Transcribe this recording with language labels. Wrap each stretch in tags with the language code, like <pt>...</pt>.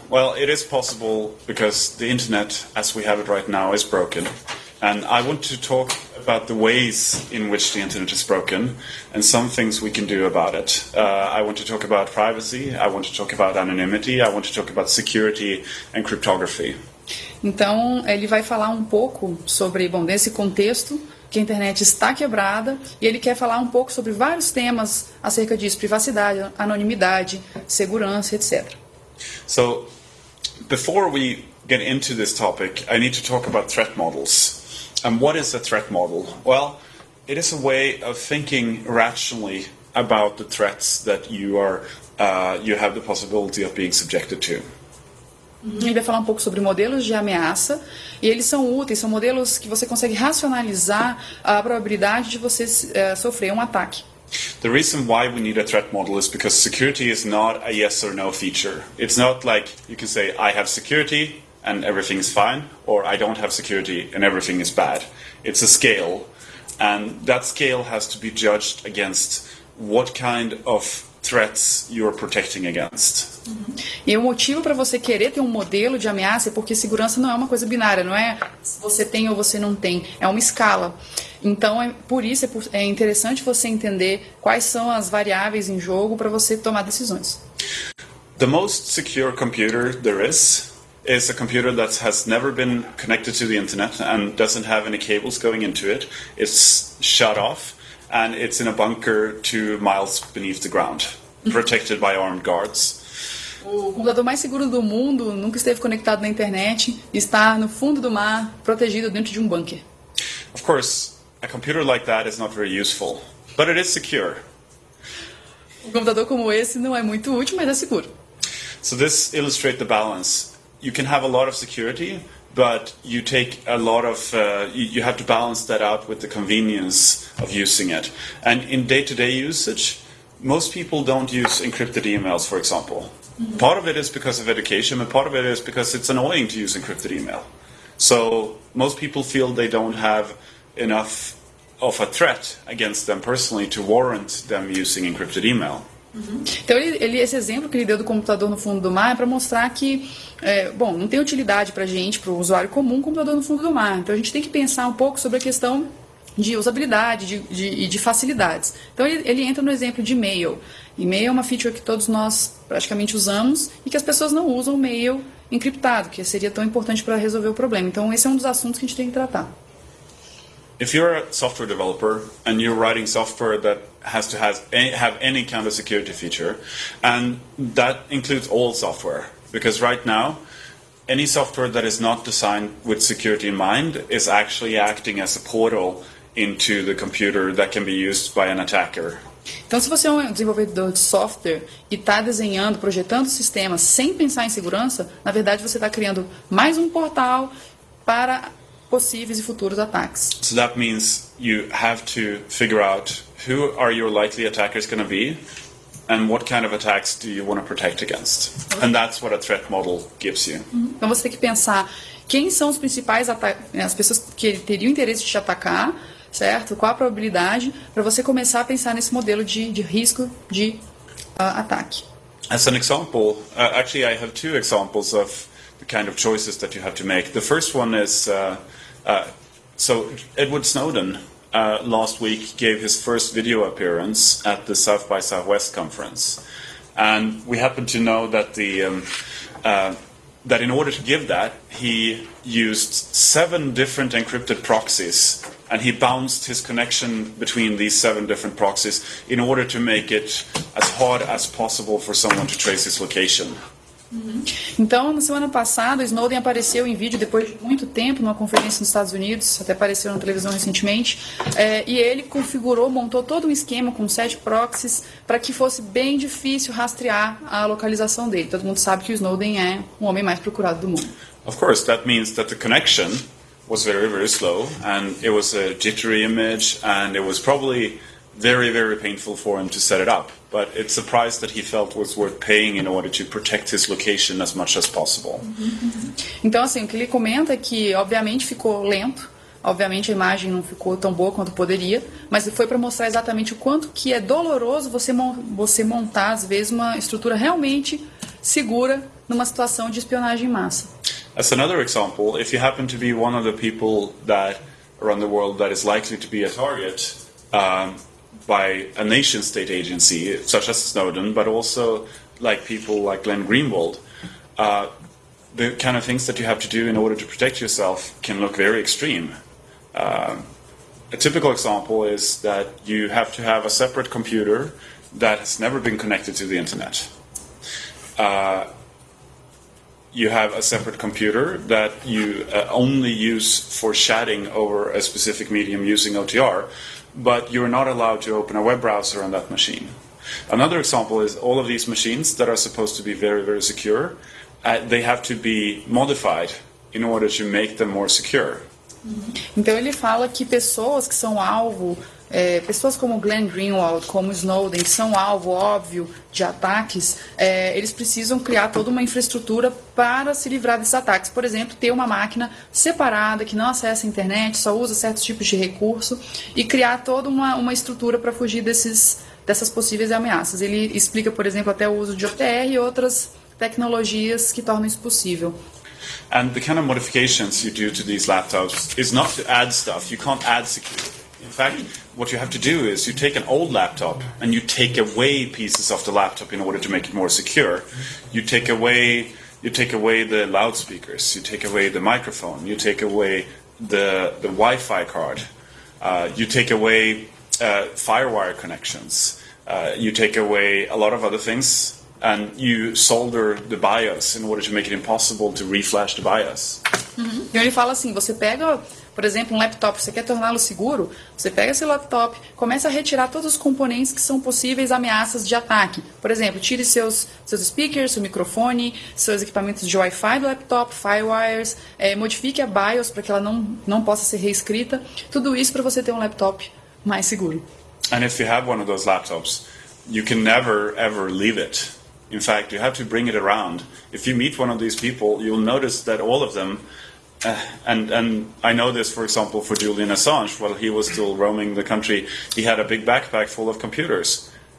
<en>Well, it is possible because the internet, as we have it right now, is broken. And I want to talk about the ways in which the internet is broken and some things we can do about it. I want to talk about privacy, I want to talk about anonymity, I want to talk about security and cryptography.</en> <pt>Então, ele vai falar um pouco sobre, bom, nesse contexto, que a internet está quebrada, e ele quer falar um pouco sobre vários temas acerca disso, privacidade, anonimidade, segurança, etc.</pt> <en>So, before we get into this topic, I need to talk about threat models. And what is a threat model? Well, it is a way of thinking rationally about the threats that you have the possibility of being subjected to.</en> <pt>Ele vai falar um pouco sobre modelos de ameaça, e eles são úteis, são modelos que você consegue racionalizar a probabilidade de você sofrer um ataque.</pt> <en>The reason why we need a threat model is because security is not a yes or no feature. It's not like you can say, I have security and everything is fine, or I don't have security and everything is bad. It's a scale, and that scale has to be judged against what kind of threats you are protecting against.</en> <pt>E o motivo para você querer ter um modelo de ameaça é porque segurança não é uma coisa binária, não é você tem ou você não tem, é uma escala. Então, é interessante você entender quais são as variáveis em jogo para você tomar decisões.</pt> <en>The most secure computer there is a computer that has never been connected to the internet and doesn't have any cables going into it. It's shut off. And it's in a bunker 2 miles beneath the ground, protected by armed guards.</en> <pt>O computador mais seguro do mundo nunca esteve conectado na internet, está no fundo do mar, protegido dentro de um bunker.</pt> <en>Of course, a computer like that is not very useful, but it is secure.</en> <pt>Um computador como esse não é muito útil, mas é seguro.</pt> <en>So this illustrates the balance. You can have a lot of security, but you take a lot of you have to balance that out with the convenience of using it. And in day-to-day usage, most people don't use encrypted emails, for example. Mm-hmm. Part of it is because of education, but part of it is because it's annoying to use encrypted email. So most people feel they don't have enough of a threat against them personally to warrant them using encrypted email. Uhum.</en> <pt>Então, esse exemplo que ele deu do computador no fundo do mar é para mostrar que, bom, não tem utilidade para a gente, para o usuário comum, computador no fundo do mar. Então, a gente tem que pensar um pouco sobre a questão de usabilidade de facilidades. Então, ele entra no exemplo de e-mail. E-mail é uma feature que todos nós praticamente usamos e que as pessoas não usam o e-mail encriptado, que seria tão importante para resolver o problema. Então, esse é um dos assuntos que a gente tem que tratar.</pt> <en>If you're a software developer and you're writing software that has to have any kind of security feature, and that includes all software, because right now, any software that is not designed with security in mind is actually acting as a portal into the computer that can be used by an attacker.</en> <pt>Então, se você é um desenvolvedor de software e está desenhando, projetando sistemas sem pensar em segurança, na verdade, você está criando mais um portal para possíveis e futuros ataques.</pt> <en>So that means you have to figure out who are your likely attackers going to be and what kind of attacks do you want to protect against. And that's what a threat model gives you. Uhum.</en> <pt>Então você tem que pensar quem são os principais as pessoas que teriam interesse de te atacar, certo? Qual a probabilidade para você começar a pensar nesse modelo de risco de ataque.</pt> <en>As an example, actually I have two examples of the kind of choices that you have to make. The first one is so Edward Snowden last week gave his first video appearance at the South by Southwest conference, and we happen to know that the that in order to give that, he used 7 different encrypted proxies, and he bounced his connection between these 7 different proxies in order to make it as hard as possible for someone to trace his location. Uhum.</en> <pt>Então, na semana passada, Snowden apareceu em vídeo depois de muito tempo numa conferência nos Estados Unidos, até apareceu na televisão recentemente, e ele configurou, montou todo um esquema com 7 proxies para que fosse bem difícil rastrear a localização dele. Todo mundo sabe que o Snowden é o homem mais procurado do mundo.</pt> <en>Of course, that means that the connection was very, very slow, and it was a jittery image, and it was probably very, very painful for him to set it up, but it's a price that he felt was worth paying in order to protect his location as much as possible.</en> <pt>Então, assim, o que ele comenta é que, obviamente, ficou lento, obviamente a imagem não ficou tão boa quanto poderia, mas foi para mostrar exatamente o quanto que é doloroso você montar, às vezes, uma estrutura realmente segura numa situação de espionagem em massa.</pt> <en>As another example, if you happen to be one of the people that around the world that is likely to be a target, by a nation-state agency, such as Snowden, but also like people like Glenn Greenwald, the kind of things that you have to do in order to protect yourself can look very extreme. A typical example is that you have to have a separate computer that has never been connected to the internet. You have a separate computer that you only use for chatting over a specific medium using OTR, but you're not allowed to open a web browser on that machine. Another example is all of these machines that are supposed to be very, very secure, they have to be modified in order to make them more secure.</en> <pt>Então ele fala que pessoas que são alvo, pessoas como Glenn Greenwald, como Snowden, que são alvo óbvio de ataques, eles precisam criar toda uma infraestrutura para se livrar desses ataques. Por exemplo, ter uma máquina separada, que não acessa a internet, só usa certos tipos de recurso, e criar toda uma estrutura para fugir dessas possíveis ameaças. Ele explica, por exemplo, até o uso de OTR e outras tecnologias que tornam isso possível.</pt> <en>And the kind of modifications you do to these laptops is not to add stuff. You can't add security. In fact, what you have to do is you take an old laptop and you take away pieces of the laptop in order to make it more secure. You take away the loudspeakers. You take away the microphone. You take away the Wi-Fi card. You take away firewire connections. You take away a lot of other things. and you solder the BIOS in order to make it impossible to reflash the BIOS.</en> <pt>Uhum. E ele fala assim, você pega, por exemplo, um laptop, você quer torná-lo seguro, você pega esse laptop, começa a retirar todos os componentes que são possíveis ameaças de ataque. Por exemplo, tire seus speakers, seu microfone, seus equipamentos de Wi-Fi do laptop, firewires, modifique a BIOS para que ela não possa ser reescrita. Tudo isso para você ter um laptop mais seguro.</pt> <en>And if you have one of those laptops, you can never ever leave it. In fact, you have to bring it around. If you meet one of these people, you'll notice that all of them, and I know this, for example, for Julian Assange, while he was still roaming the country, he had a big backpack full of computers.</en>